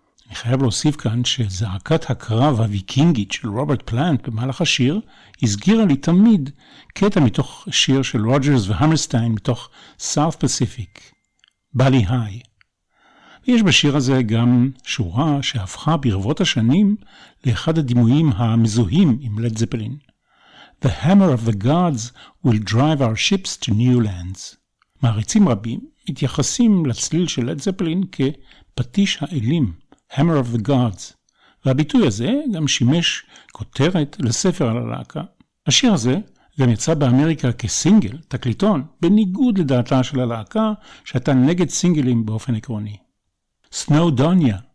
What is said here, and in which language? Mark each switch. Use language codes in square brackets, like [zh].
[he] אני חייב להוסיף כאן שזעקת הקרב הוויקינגית של רוברט פלנט במהלך השיר הסגירה לי תמיד קטע מתוך שיר של רוג'רס והמרסטיין מתוך סאוף פסיפיק, בלי היי. ויש בשיר הזה גם שורה שהפכה ברבות השנים לאחד הדימויים המזוהים עם לד זפלין. [en] The hammer of the gods will drive our ships to new lands. [he] מעריצים רבים מתייחסים לצליל של לד זפלין כפטיש האלים. Hammer of the Gods, והביטוי הזה גם שימש כותרת לספר על הלהקה. השיר הזה גם יצא באמריקה כסינגל, תקליטון, בניגוד לדעתה של הלהקה, שהייתה נגד סינגלים באופן עקרוני. סנאודוניה.